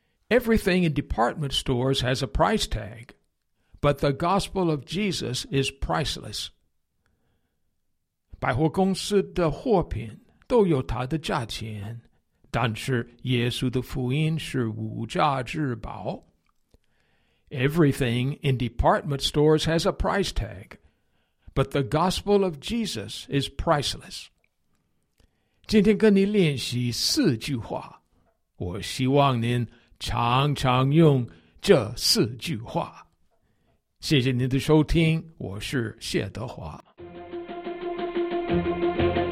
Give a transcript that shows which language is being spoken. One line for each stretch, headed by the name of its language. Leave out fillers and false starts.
English: Everything in department stores has a price tag, but the gospel of Jesus is priceless.
Chinese: 百货公司的货品都有它的价钱，但是耶稣的福音是无价之宝。
English: Everything in department stores has a price tag, but the gospel of Jesus is priceless.
Chinese: 今天跟你练习四句话，我希望您常常用这四句话。谢谢您的收听，我是谢德华。